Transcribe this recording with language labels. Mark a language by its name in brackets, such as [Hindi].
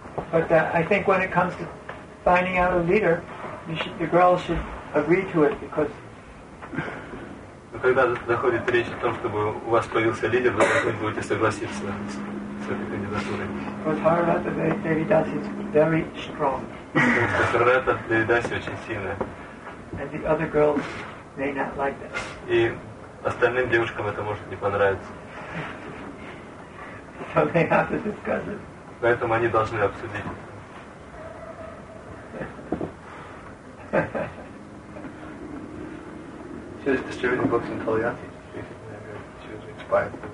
[English] But I think when it comes to finding out a leader, the girls should agree to it because. [Russian] Но когда заходит речь о том, чтобы у вас появился лидер, вы должны будете согласиться с этой кандидатурой. [English] Because Harata Devidasi is very strong. [Russian] Harata Devidasi очень сильная. [English] And the other girls may not like that. [Russian] И остальным девушкам это может не понравиться. [English] So they have to discuss it. [Russian] Поэтому они должны обсудить. [English] She was distributing books in Тольятти. She was inspired.